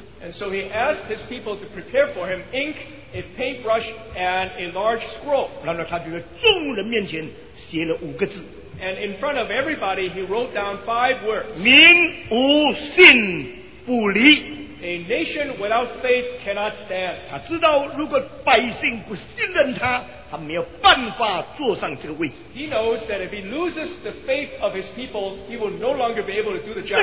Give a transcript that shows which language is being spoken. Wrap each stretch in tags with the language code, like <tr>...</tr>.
<en>And so he asked his people to prepare for him ink, a paintbrush, and a large scroll.</en> <zh>然后他就在众人面前写了五个字。</zh> <en>And in front of everybody, he wrote down five words.</en> <zh>民无信不立。</zh> <en>A nation without faith cannot stand.</en> <zh>他知道如果百姓不信任他, 他没有办法坐上这个位置。</zh> <en>He knows that if he loses the faith of his people, he will no longer be able to do the job.</en>